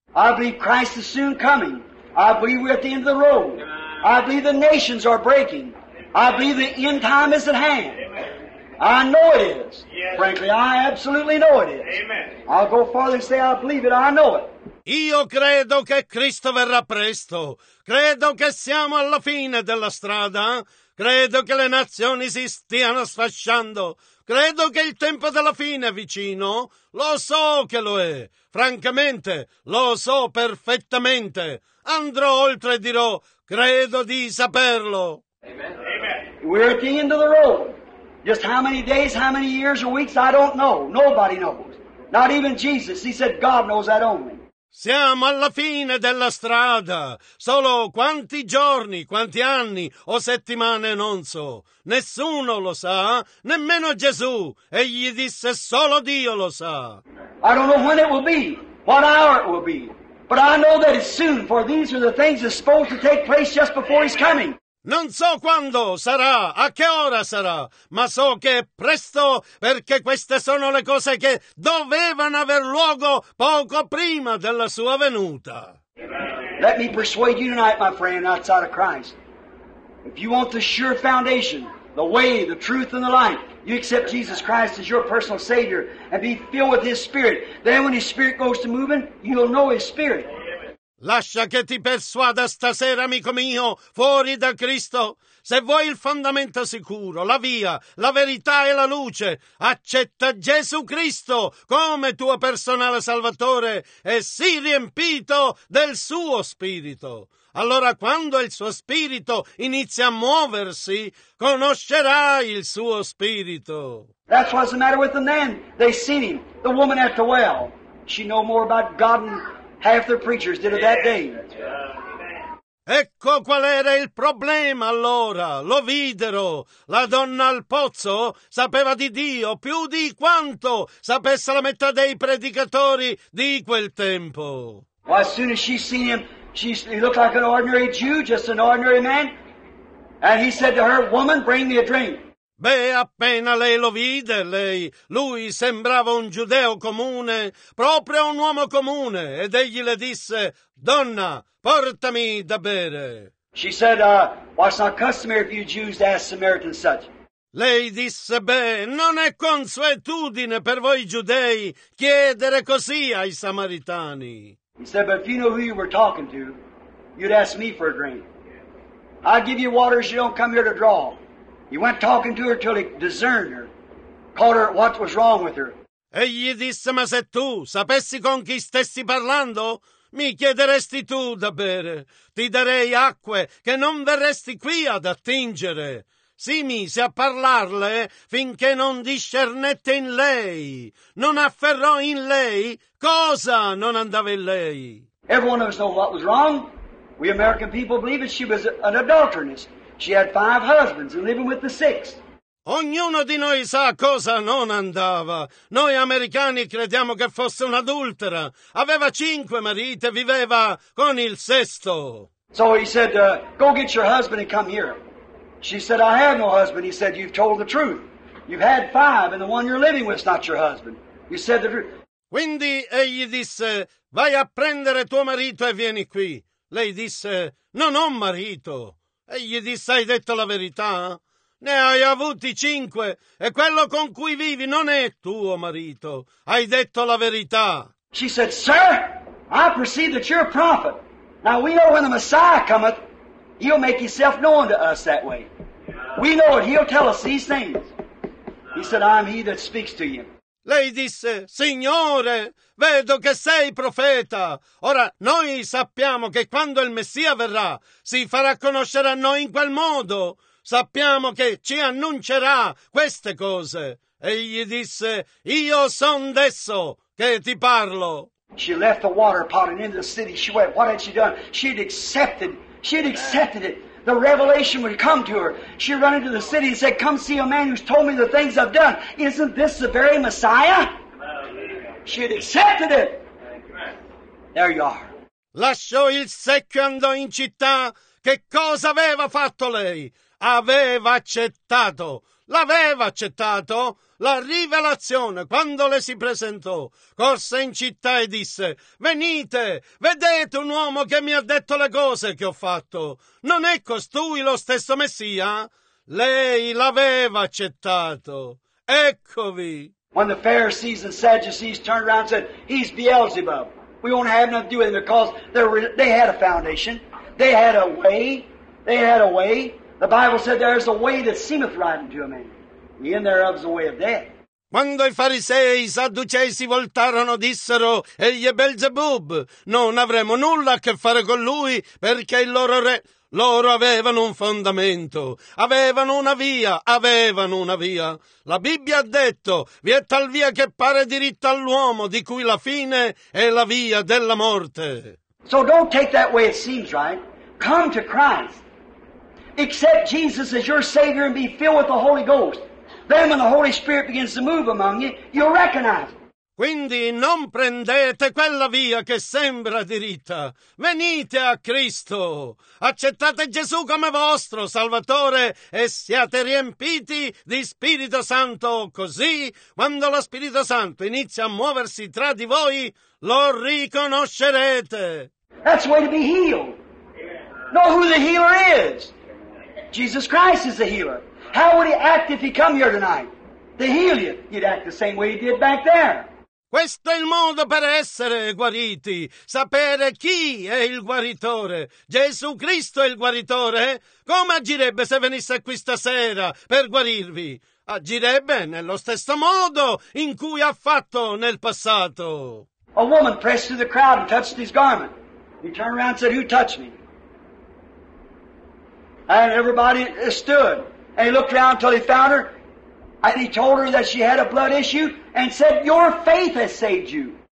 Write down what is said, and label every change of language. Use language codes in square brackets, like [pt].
[en] I believe Christ is soon coming. I believe we're at the end of the road. I believe the nations are breaking. I believe the end time is at hand. I know it is. Yes. Frankly, I absolutely know it is. Amen. I'll go farther and say I believe it. I know it. [it] Io credo che Cristo verrà presto. Credo che siamo alla fine della strada. Credo che le nazioni si stiano sfasciando. Credo che il tempo della fine è vicino. Lo so che lo è. Francamente, lo so perfettamente. Andrò oltre e dirò, credo di saperlo. Amen. Amen. [en] We're at the end of the road. Just how many days, how many years or weeks, I don't know. Nobody knows. Not even Jesus. He said, God knows that only. [it] Siamo alla fine della strada. Solo quanti giorni, quanti anni o settimane non so. Nessuno lo sa, nemmeno Gesù. Egli disse, solo Dio lo sa. [en] I don't know when it will be, what hour it will be. But I know that it's soon, for these are the things that are supposed to take place just before He's coming. [it] Non so quando sarà, a che ora sarà, ma so che è presto, perché queste sono le cose che dovevano aver luogo poco prima della sua venuta. [en] Let me persuade you tonight, my friend, outside of Christ. If you want the sure foundation, the way, the truth, and the life, you accept Jesus Christ as your personal Savior and be filled with His Spirit. Then when His Spirit goes to moving, you'll know His Spirit. [it] Lascia che ti persuada stasera, amico mio, fuori da Cristo. Se vuoi il fondamento sicuro, la via, la verità e la luce, accetta Gesù Cristo come tuo personale salvatore e sii riempito del suo spirito. Allora, quando il suo spirito inizia a muoversi, conoscerai il suo spirito. [en] That's what's the matter with the man. They seen him, the woman at the well. She know more about God and half their preachers did it that day. [it] Ecco qual era il problema allora. Lo videro. La donna al pozzo sapeva di Dio più di quanto sapesse la metà dei predicatori di quel tempo. [en] Well, as soon as she seen him, he looked like an ordinary Jew, just an ordinary man. And he said to her, "Woman, bring me a drink." [it] Beh, appena lei lo vide, lui sembrava un giudeo comune, proprio un uomo comune, ed egli le disse, "Donna, portami da bere." [en] She said, "Well, it's not customary for you Jews to ask Samaritans such." [it] Lei disse, beh, non è consuetudine per voi giudei chiedere così ai samaritani. [en] He said, but if you knew who you were talking to, you'd ask me for a drink. I give you water, she don't come here to draw. He went talking to her till he discerned her, caught her what was wrong with her. [it] Egli disse, ma se tu sapessi con chi stessi parlando, mi chiederesti tu da bere. Ti darei acque che non verresti qui ad attingere. Si mise a parlarle finché non discernette in lei, non afferrò in lei cosa non andava in lei. [en] Everyone of us knows what was wrong. We American people believe that she was an adulteress. She had five husbands and living with the sixth. [it] Ognuno di noi sa cosa non andava. Noi americani crediamo che fosse un'adultera. Aveva cinque mariti e viveva con il sesto. [en] So he said, go get your husband and come here. She said, I have no husband. He said, you've told the truth. You've had five, and the one you're living with is not your husband. You said the truth. [it] Quindi egli disse, vai a prendere tuo marito e vieni qui. Lei disse, non ho marito. Egli disse, hai detto la verità? Ne hai avuti cinque, e quello con cui vivi non è tuo marito. Hai detto la verità. [en] She said, sir, I perceive that you're a prophet. Now we know when the Messiah cometh, He'll make himself known to us that way. We know it. He'll tell us these things. He said, I'm he that speaks to you. [it] Lei disse, Signore, vedo che sei profeta. Ora, noi sappiamo che quando il Messia verrà, si farà conoscere a noi in quel modo. Sappiamo che ci annuncerà queste cose. Egli disse, io son d'esso che ti parlo. [en] She left the water pot and into the city. She went, what had she done? She had accepted. She had accepted it. The revelation would come to her. She ran into the city and said, come see a man who's told me the things I've done. Isn't this the very Messiah? She had accepted it. There you are. [it] Lasciò il secchio e andò in città. Che cosa aveva fatto lei? Aveva accettato. L'aveva accettato la rivelazione quando le si presentò. Corse in città e disse, venite, vedete un uomo che mi ha detto le cose che ho fatto. Non è costui lo stesso Messia? Lei l'aveva accettato. Eccovi. [en] When the Pharisees and Sadducees turned around and said, he's Beelzebub. We won't have nothing to do with him because they had a foundation. They had a way. They had a way. The Bible said there is a way that seemeth right unto a man. The end thereof is the way of death. [it] Quando i farisei e i sadducei si voltarono, dissero, egli è Belzebub, non avremo nulla a che fare con lui, perché il loro re... Loro avevano un fondamento, avevano una via, avevano una via. La Bibbia ha detto, vi è tal via che pare diritta all'uomo, di cui la fine è la via della morte. [en] So don't take that way it seems right. Come to Christ. Accept Jesus as your Savior and be filled with the Holy Ghost. Then when the Holy Spirit begins to move among you, you'll recognize it. [it] Quindi non prendete quella via che sembra diritta. Venite a Cristo. Accettate Gesù come vostro Salvatore e siate riempiti di Spirito Santo. Così, quando lo Spirito Santo inizia a muoversi tra di voi, lo riconoscerete. [en] That's the way to be healed. Know who the healer is. Jesus Christ is the healer. How would he act if he come here tonight? To heal you. He'd act the same way he did back there. [it] Questo è il modo per essere guariti. Sapere chi è il guaritore. Gesù Cristo è il guaritore. Come agirebbe se venisse qui stasera per guarirvi? Agirebbe nello stesso modo in cui ha fatto nel passato. [en] A woman pressed through the crowd and touched his garment. He turned around and said, who touched me? And everybody stood. And he looked around until he found her. And he told her that she had a blood issue and said, your faith has saved you.